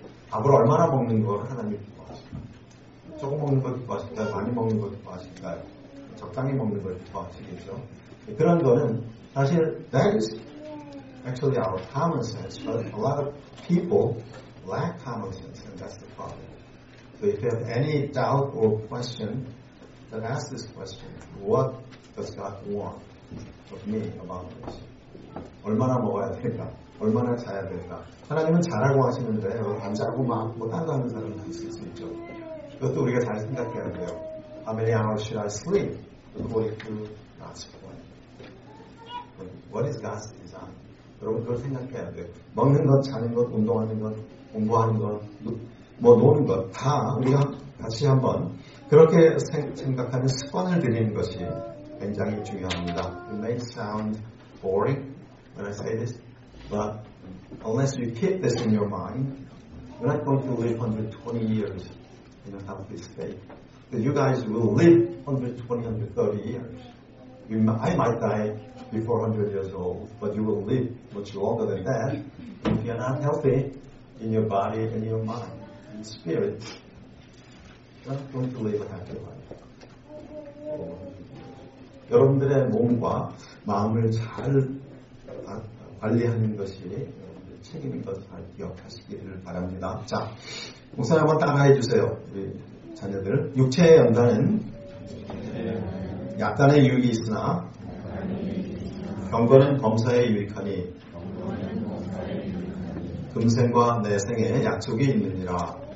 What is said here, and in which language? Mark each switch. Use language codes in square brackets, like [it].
[ko] 밥을 얼마나 먹는 걸 하나님 조금 먹는 걸 기뻐하실까요? 많이 먹는 걸 기뻐하실까요? 적당히 먹는 걸 기뻐하시겠죠? 그런 거는 사실 [en] that is actually our common sense, but a lot of people lack common sense, and that's the problem. So if you have any doubt or question, then ask this question. What does God want of me about this? [ko] 얼마나 먹어야 될까? 얼마나 자야 될까? 하나님은 자라고 하시는데 안 자고 막 뭐 다른 거 하는 사람도 있을 수 있죠. 그것도 우리가 잘 생각해야 돼요. [en] How many hours should I sleep according to God's plan? What is God's design? [ko] 여러분 그걸 생각해야 돼요. 먹는 것, 자는 것, 운동하는 것, 공부하는 것, 뭐 노는 것 다 우리가 같이 한번 그렇게 생각하는 습관을 들이는 것이 굉장히 중요합니다. [en] It may sound boring when I say this, but unless you keep this in your mind, you're not going to live 120 years. And have this faith that you guys will live 120, 130 years. I might die before 100 years old, but you will live much longer than that if you're not healthy in your body and your mind and spirit. You're not going to live a happy life. [ko] 여러분들의 몸과 마음을 잘 관리하는 것이 책임인 것 잘 기억하시기를 바랍니다. 자, 목사님 한번 따라해 주세요. 우리 자녀들. 육체의 연단은 약간의 유익이 있으나 경건은 범사에 유익하니 금생과 내생에 약속이 있느니라.